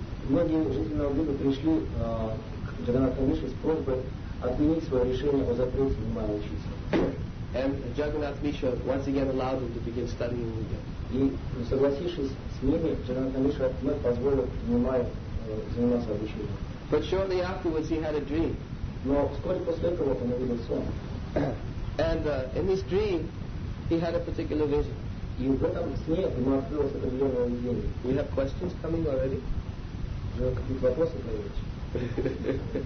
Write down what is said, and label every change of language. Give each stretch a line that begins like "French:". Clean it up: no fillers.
Russian: Многие жители Навадвипа пришли к Джаганнату Мишу с просьбой отменить свое решение о запрете Нимай учиться.
English: And Jagannath Misha once again allowed him to begin studying again.
Russian: И согласившись с ними, Jagannath Misha вновь позволил Нимаю заниматься обучением.
English: But shortly afterwards he had a dream.
Russian: Но вскоре после этого он увидел сон.
English: And in this dream he had a particular vision.
Russian: И в этом сне ему открылось определенное видение.
English: We have questions coming already.
Russian: Уже какие-то вопросы появились?